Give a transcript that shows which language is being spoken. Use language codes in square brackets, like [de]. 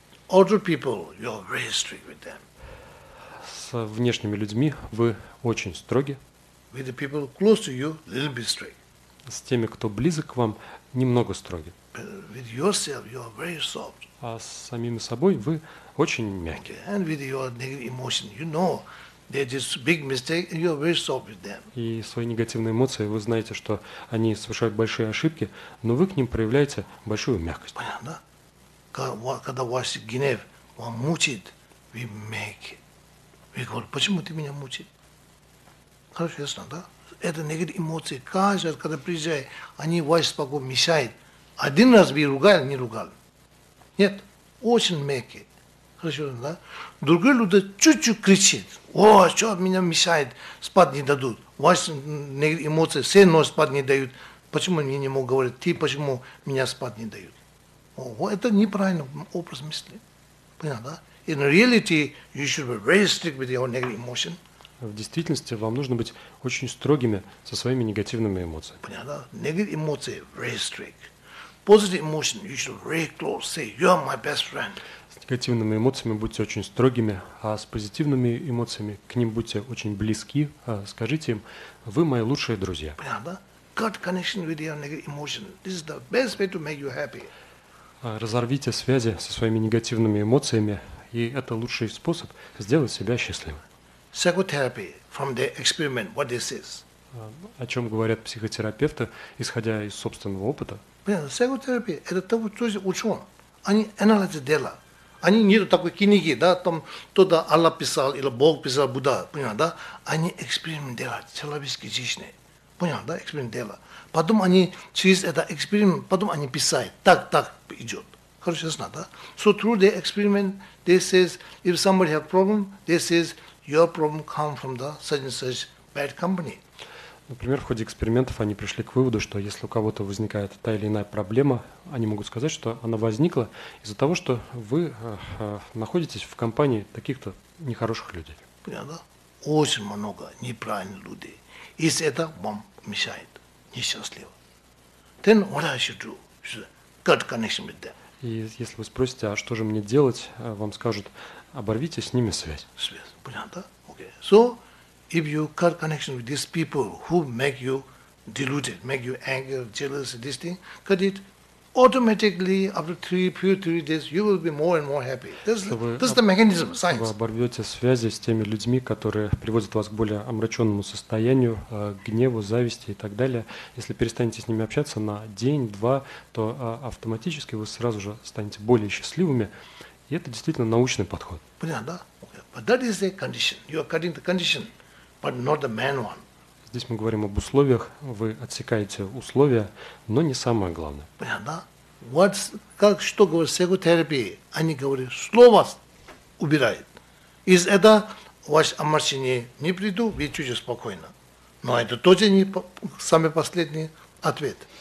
[en] Other people, you are very strict with them. [ru] С внешними людьми вы очень строги. [en] With the people close to you, a little bit strict. [ru] С теми, кто близок к вам, немного строги. [en] But with yourself, you are very soft. [ru] А с самим собой вы очень мягкий. [en] Okay. And with your negative emotion, you know. This big mistake, and you are very soft with them. [ru] И свои негативные эмоции, вы знаете, что они совершают большие ошибки, но вы к ним проявляете большую мягкость. Понятно? Когда ваш гнев вам мучит, вы мягкий. Вы говорите, почему ты меня мучишь? Хорошо, ясно, да? Это негативные эмоции. Каждый раз, когда приезжает, они вас спокойно мешают. Один раз вы ругали, не ругали. Нет, очень мягкий. Хорошо, да? Другие люди чуть-чуть кричат. О, что меня мешает, спать не дадут. Ваши эмоции все равно спать не дают. Почему мне не могут говорить, ты почему меня спать не дают? О, это неправильный образ мысли. Понятно, да? [en] In reality, you should be very strict with your negative emotion. [ru] В действительности вам нужно быть очень строгими со своими негативными эмоциями. Понятно, да? [en] Negative emotion, very strict. Positive emotion, you should very close, say, you are my best friend. [ru] Негативными эмоциями будьте очень строгими, а с позитивными эмоциями к ним будьте очень близки. Скажите им, вы мои лучшие друзья. [en] Cut connection with your negative emotion. This is the best way to make you happy. [ru] Разорвите связи со своими негативными эмоциями, и это лучший способ сделать себя счастливым. [en] Psychotherapy from the experiment, what this is. [ru] О чем говорят психотерапевты, исходя из собственного опыта? Psychotherapy – это того, что ученые, они анализируют дело. Они нету такой книги, да, там кто-то Аллах писал, или Бог писал, Будда, понял, да? Они эксперимент делают, человеческие жизни, понял, да, эксперимент делают. Потом они через этот эксперимент, потом они писают, так идет. Хорошо, ясно, да? [en] So through the experiment, they says, if somebody have problem, they says, your problem come from the such and such bad company. [ru] Например, в ходе экспериментов они пришли к выводу, что если у кого-то возникает та или иная проблема, они могут сказать, что она возникла из-за того, что вы находитесь в компании таких-то нехороших людей. Понятно? Очень много неправильных людей. Если это вам мешает, несчастливо. [en] Then what I should do? Cut connection with them. [ru] И если вы спросите, а что же мне делать, вам скажут, оборвите с ними связь. Связь. Понятно? Okay. [en] So, if you cut connection with these people who make you deluded, make you angry, jealous, this thing, cut it, automatically after three days you will be more and more happy. This is the mechanism, science. [ru] Вы оборвете связи с теми людьми, которые приводят вас к более омраченному состоянию, гневу, зависти и так далее. Если перестанете с ними общаться на день-два, то автоматически вы сразу же станете более счастливыми. И это действительно научный подход. Понятно, да? [en] But that is a condition. You are cutting the condition, but not the main one. [ru] Здесь мы говорим об условиях, вы отсекаете условия, но не самое главное. Понятно, да? Что говорит психотерапия? Они говорят, слово убирает. Из этого ваш омрачение не приду, вы чуть спокойно. Но это тоже не самый последний ответ.